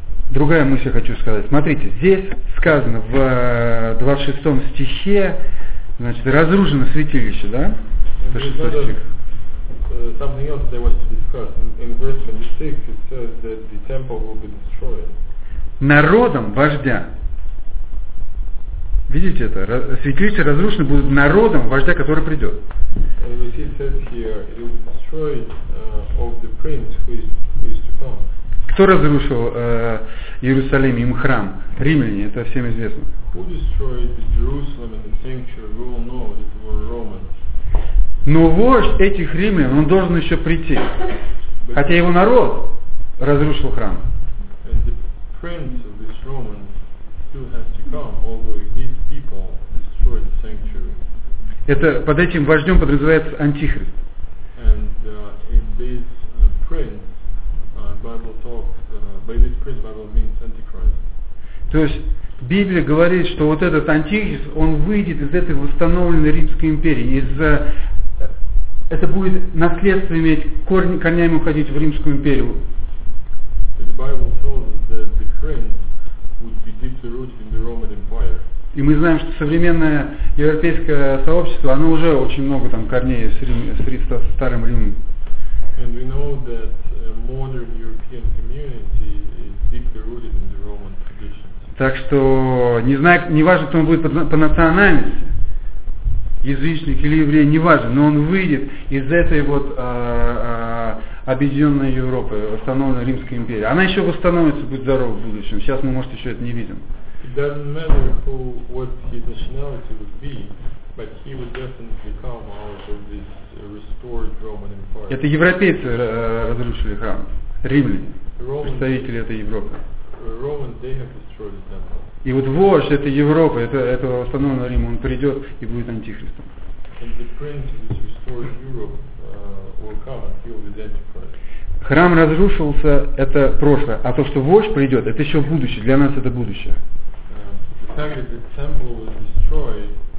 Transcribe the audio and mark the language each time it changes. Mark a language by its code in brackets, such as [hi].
[ru] Другая мысль хочу сказать. Смотрите, здесь сказано в 26 стихе, значит, разрушено святилище, да? 26 стих. [en] Something else they want to discuss. In verse 26 it says that the temple will be destroyed. [ru] Народом вождя. Видите это? Святилище разрушено будет народом вождя, который придет. [en] And we see it says here, it will be destroyed of the prince who is to come. [ru] Кто разрушил Иерусалим, им храм? Римляне, это всем известно. [en] Who destroyed Jerusalem and the sanctuary? We all know that it were Romans. [ru] Но вождь этих римлян, он должен еще прийти. Хотя его народ разрушил храм. [en] And the prince of these Romans still has to come, although his people destroyed the sanctuary. [ru] Это под этим вождем подразумевается антихрист. [en] And in this prince, Bible talks, by this prince Bible means antichrist. [ru] То есть Библия говорит, что вот этот антихрист, он выйдет из этой восстановленной Римской империи, из это будет наследство иметь, корнями уходить в Римскую империю. [en] The Bible tells us that the prince would be deeply rooted in the Roman Empire. [ru] И мы знаем, что современное европейское сообщество, оно уже очень много там корней со старым Римом. [en] And we know that modern European community is deeply rooted in the Roman traditions. [ru] Так что не знаю, не важно, кто он будет по национальности, язычник или еврей, не важно, но он выйдет из этой вот объединенной Европы, восстановленной Римской империи. Она еще восстановится, будет здорова в будущем. Сейчас мы, может, еще это не видим. [en] It doesn't matter who, what his nationality would be, but he would definitely come out of this restored Roman Empire. [ru] Это европейцы разрушили храм. Римляне. Romans, представители этой Европы. [en] Romans, they have destroyed the temple. [ru] И вот вождь этой Европы, этого восстановленного Рима, он придет и будет антихристом. [en] And the prince of this restored Europe will come and he'll be the antichrist. [ru] Храм разрушился, это прошлое. А то, что вождь придет, это еще будущее. Для нас это будущее. [en] The fact that the temple was destroyed